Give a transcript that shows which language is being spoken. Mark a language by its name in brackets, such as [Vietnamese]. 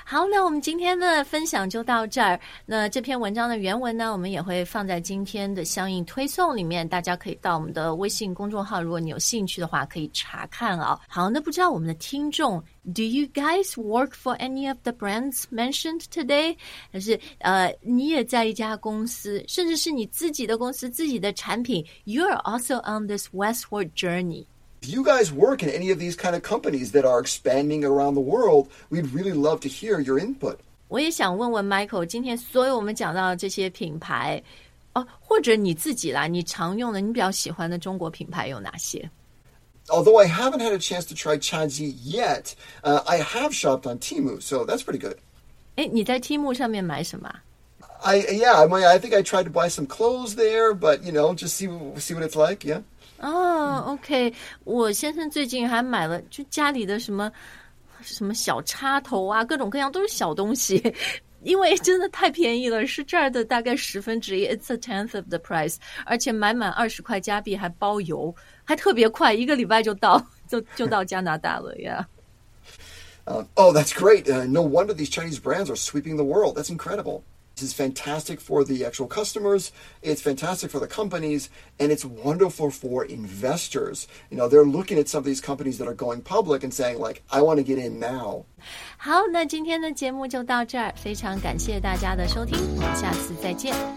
[Chinese] 好，那我们今天的分享就到这儿。那这篇文章的原文呢，我们也会放在今天的相应推送里面，大家可以到我们的微信公众号，如果你有兴趣的话，可以查看哦。好，那不知道我们的听众 [English] Do you guys work for any of the brands mentioned today? [Chinese] 还是你也在一家公司，甚至是你自己的公司，自己的产品 [English] You're also on this westward journey. Do you guys work in any of these kind of companies that are expanding around the world? We'd really love to hear your input. [Chinese] 我也想问问 Michael, 今天所有我们讲到的这些品牌、哦、或者你自己啦，你常用的，你比较喜欢的中国品牌有哪些？ [English] Although I haven't had a chance to try Chaji yet, I have shopped on Temu, so that's pretty good. [Chinese] 诶，你在 Temu 上面买什么？ [English] I think I tried to buy some clothes there, but, you know, just see what it's like, yeah. Oh, okay. [Chinese] 我先生最近还买了就家里的什么小插头啊，各种各样都是小东西。因为真的太便宜了，是这儿的大概十分之一 ， [English] it's a tenth of the price， [Chinese] 而且买满20块加币还包邮，还特别快，一个礼拜就到加拿大了呀。 [English] Oh, that's great!、no wonder these Chinese brands are sweeping the world. That's incredible. This is fantastic for the actual customers. It's fantastic for the companies, and it's wonderful for investors. You know, they're looking at some of these companies that are going public and saying, like, I want to get in now. [Chinese] 好，那今天的节目就到这儿，非常感谢大家的收听，我们下次再见。